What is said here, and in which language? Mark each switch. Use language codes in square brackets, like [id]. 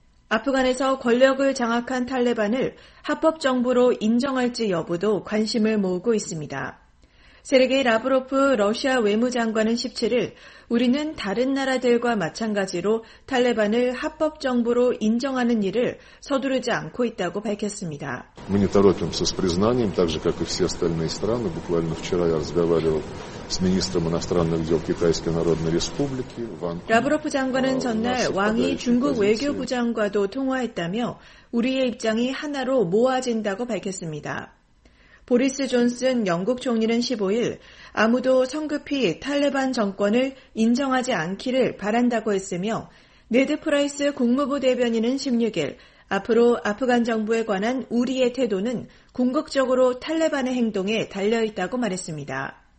[ko] 아프간에서 권력을 장악한 탈레반을 합법정부로 인정할지 여부도 관심을 모으고 있습니다. 세르게이 라브로프 러시아 외무장관은 17일 우리는 다른 나라들과 마찬가지로 탈레반을 합법 정부로 인정하는 일을 서두르지 않고 있다고 밝혔습니다. [ru] Мы не торопимся с признанием, так же как и все остальные страны. Буквально вчера я разговаривал с министром иностранных дел Китайской Народной Республики. [ko] 라브로프 장관은 전날 왕이 중국 외교부장과도 통화했다며 우리의 입장이 하나로 모아진다고 밝혔습니다. 보리스 존슨 영국 총리는 15일 아무도 성급히 탈레반 정권을 인정하지 않기를 바란다고 했으며 네드 프라이스 국무부 대변인은 16일 앞으로 아프간 정부에 관한 우리의 태도는 궁극적으로 탈레반의 행동에 달려있다고 말했습니다.